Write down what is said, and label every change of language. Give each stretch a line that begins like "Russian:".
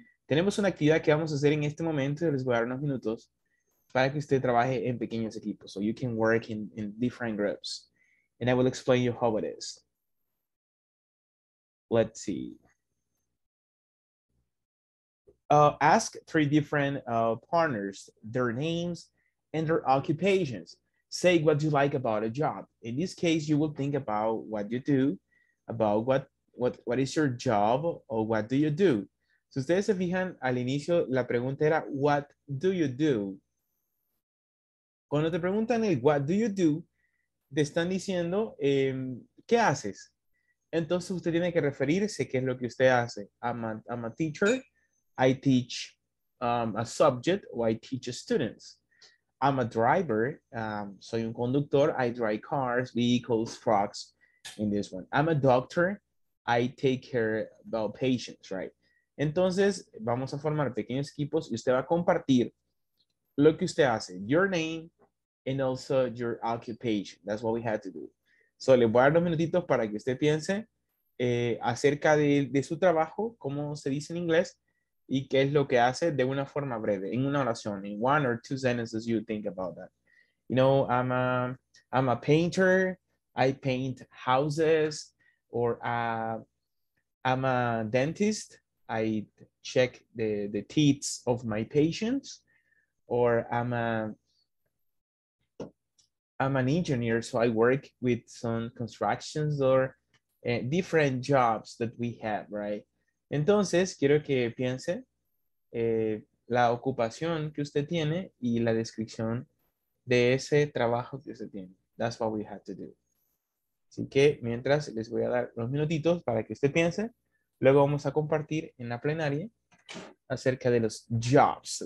Spanish: Tenemos una actividad que vamos a hacer en este momento. Les voy a dar unos minutos para que usted trabaje en pequeños equipos.
English: So you can work in different groups. And I will explain you how it is. Let's see. Ask three different partners their names and their occupations. Say what you like about a job. In this case, you will think about what you do, about what is your job or what do you do.
Spanish: Si ustedes se fijan, al inicio la pregunta era
English: what do you do?
Spanish: Cuando te preguntan el
English: what do you do,
Spanish: te están diciendo, ¿qué haces? Entonces usted tiene que referirse qué es lo que usted hace.
English: I'm a teacher. I teach a subject or I teach students. I'm a driver.
Spanish: Soy un conductor.
English: I drive cars, vehicles, trucks in this one. I'm a doctor. I take care about patients, right?
Spanish: Entonces, vamos a formar pequeños equipos y usted va a compartir lo que usted hace.
English: Your name, and also your occupation. That's what we had to do.
Spanish: So, le voy a dar unos minutitos para que usted piense acerca de su trabajo, cómo se dice en inglés, y qué es lo que hace de una forma breve, en una oración,
English: in one or two sentences you think about that. You know, I'm a painter, I paint houses, or I'm a dentist, I check the teeth of my patients, or I'm an engineer, so I work with some constructions or different jobs that we have, right?
Spanish: Entonces, quiero que piense la ocupación que usted tiene y la descripción de ese trabajo que usted tiene.
English: That's what we have to do.
Spanish: Así que, mientras, les voy a dar unos minutitos para que usted piense. Luego vamos a compartir en la plenaria acerca de los jobs.